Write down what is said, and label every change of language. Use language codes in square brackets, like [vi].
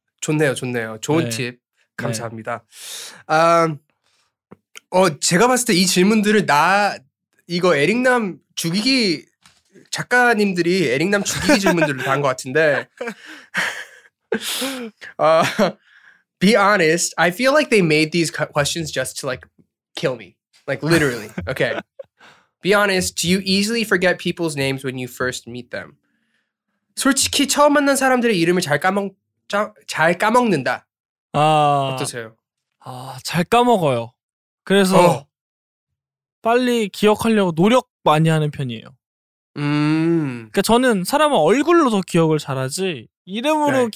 [ko] 좋네요. 좋네요. 좋은 네. 팁. 감사합니다. 네. 제가 봤을 때 이 질문들을 이거 에릭남 죽이기 작가님들이 에릭남 죽이기 질문들로 다 한 것 같은데 [en] be honest. I feel like they made these questions just to like kill me. Like literally. Okay. Be honest. Do you easily forget people's names when you first meet them? [ko] 솔직히 처음 만난 사람들의 이름을 잘 까먹는다. 어떠세요? 잘 까먹어요. 그래서 빨리 기억하려고 노력 많이 하는 편이에요. 그러니까 저는 사람은 얼굴로 더 기억을 잘하지 이름으로 right.